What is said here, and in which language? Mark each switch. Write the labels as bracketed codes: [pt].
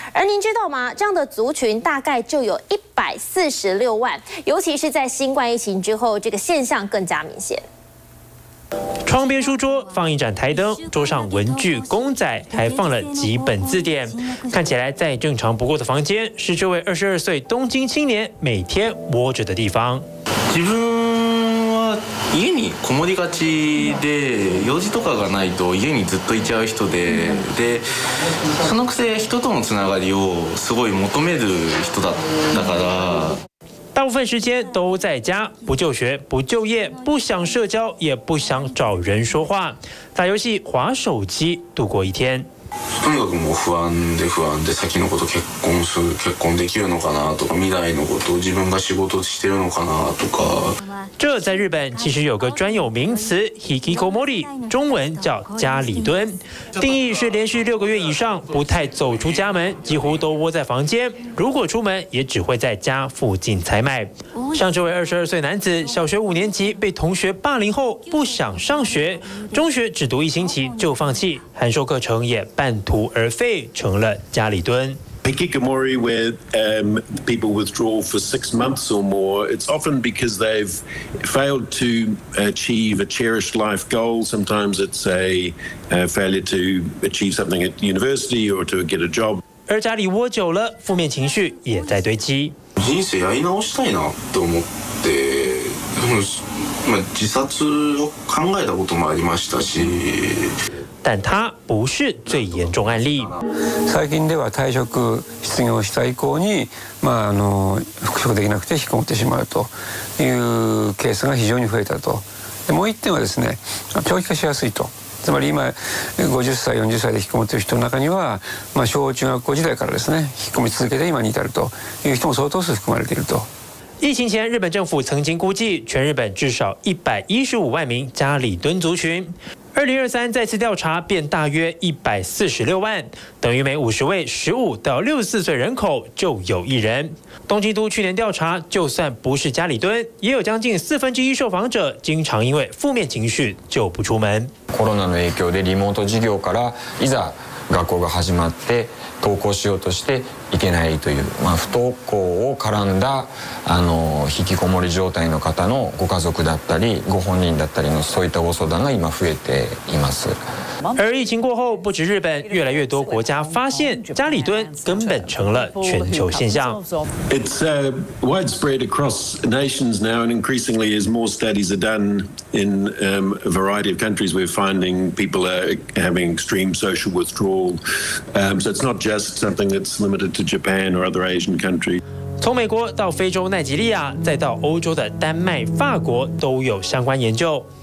[zh] 而您知道吗，这样的族群大概就有146万，尤其是在新冠疫情之后，这个现象更加明显。窗边书桌放一盏台灯，桌上文具公仔还放了几本字典，看起来再正常不过的房间是这位22岁东京青年每天窝着的地方。 [ja] 自分は家にこもりがちで、用事とかがないと家にずっといちゃう人で、でそのくせ人とのつながりをすごい求める人だから。 [zh] 大部分时间都在家，不就学不就业，不想社交也不想找人说话，打游戏滑手机度过一天。 [ja] とにかくもう不安で不安で、先のこと結婚できるのかなとか、未来のこと自分が仕事してるのかなとか。 [zh] 这在日本其实有个专有名词 hikikomori， 中文叫家里蹲，定义是连续6个月以上不太走出家门，几乎都窝在房间，如果出门也只会在家附近采买。像这位22岁男子，小学5年级被同学霸凌后不想上学，中学只读一星期就放弃，函授课程也半途而废，成了家里蹲。 [en] Hikikomori, where people withdraw for 6 months or more, it's often because they've failed to achieve a cherished life goal. Sometimes it's a failure to achieve something at university or to get a job. [zh] 而家里窝久了，负面情绪也在堆积。 [ja] 人生やり直したいなと思って、自殺を考えたこともありましたし。 [zh] 但他不是最严重案例。 [ja] 最近では退職失業した以降に、復職できなくて引きこもってしまうというケースが非常に増えたと。でもう一点はですね、長期化しやすいと。つまり今50歳40歳で引きこもっている人の中には、小中学校時代からですね、引きこもり続けて今に至るという人も相当数含まれていると。 [zh] 疫情前，日本政府曾经估计全日本至少115万名家里蹲族群。 2023再次调查便大约146万，等于每50位15到64岁人口就有一人。东京都去年调查，就算不是家里蹲，也有将近1/4受访者经常因为负面情绪就不出门。 [ja] コロナの影響でリモート授業からいざ学校が始まって登校しようとしていけないという、不登校を絡んだ引きこもり状態の方のご家族だったりご本人だったりのそういったご相談が今増えています。 [zh] 而疫情过后，不止日本，越来越多国家发现家里蹲根本成了全球现象。 [en] It's widespread across nations now, and increasingly as more studies are done in a variety of countries, we're finding people are having extreme social withdrawal. So it's not just something that's limited to Japan or other Asian countries. [zh] 从美国到非洲奈及利亚，再到欧洲的丹麦、法国，都有相关研究。